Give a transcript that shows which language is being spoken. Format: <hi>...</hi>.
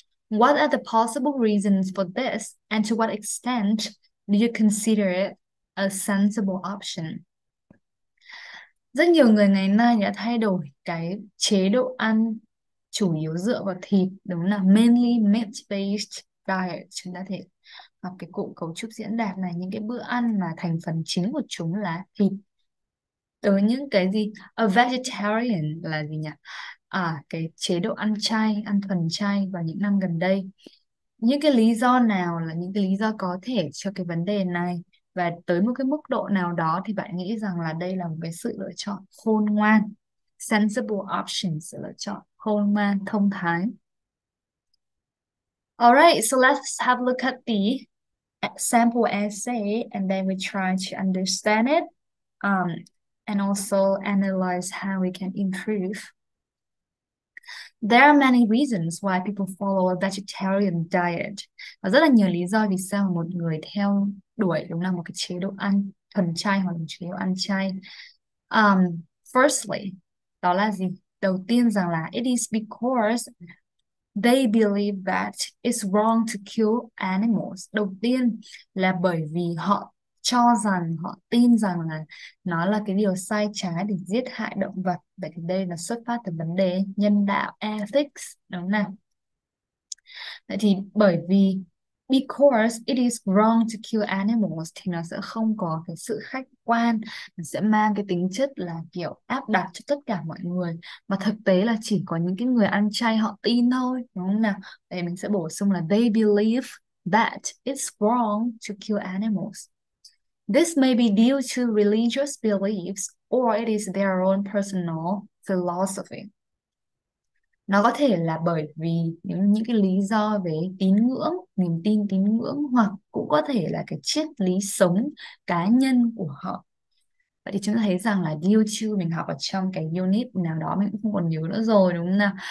<en>What are the possible reasons for this and to what extent do you consider it a sensible option?</en> <vi>Rất nhiều người ngày nay đã thay đổi cái chế độ ăn chủ yếu dựa vào thịt, đúng là</vi> <en>mainly meat based diet.</en> <vi>Chúng ta thể học cái cụm cấu trúc diễn đạt này, những cái bữa ăn mà thành phần chính của chúng là thịt. Tới những cái gì,</vi> <en>a vegetarian</en> <vi>là gì nhỉ, à cái chế độ ăn chay, ăn thuần chay vào những năm gần đây. Những cái lý do nào là những cái lý do có thể cho cái vấn đề này, và tới một cái mức độ nào đó thì bạn nghĩ rằng là đây là một cái sự lựa chọn khôn ngoan,</vi> <en>sensible option,</en> <vi>sự lựa chọn khôn ngoan, thông thái.</vi> <en>Alright, so let's have a look at the sample essay and then we try to understand it. And also analyze how we can improve. There are many reasons why people follow a vegetarian diet.</en> <vi>Và rất là nhiều lý do vì sao một người theo đuổi đúng là một cái chế độ ăn thuần chay hoặc là một chế độ ăn chay. Firstly, đó là gì? Đầu tiên rằng là</vi> <en>it is because they believe that it's wrong to kill animals.</en> <vi>Đầu tiên là bởi vì họ cho rằng, họ tin rằng là nó là cái điều sai trái để giết hại động vật. Vậy thì đây là xuất phát từ vấn đề nhân đạo, ethics, đúng nào? Vậy thì bởi vì</vi> <en>because it is wrong to kill animals</en> <vi>thì nó sẽ không có cái sự khách quan, nó sẽ mang cái tính chất là kiểu áp đặt cho tất cả mọi người, mà thực tế là chỉ có những cái người ăn chay họ tin thôi, đúng không nào? Vậy mình sẽ bổ sung là</vi> <en>they believe that it's wrong to kill animals. This may be due to religious beliefs or it is their own personal philosophy.</en> <vi>Nó có thể là bởi vì những cái lý do về tín ngưỡng, niềm tin tín ngưỡng, hoặc cũng có thể là cái triết lý sống cá nhân của họ. Vậy thì chúng ta thấy rằng là due to mình học ở trong cái unit nào đó mình cũng không còn nhớ nữa rồi, đúng không nào?</vi>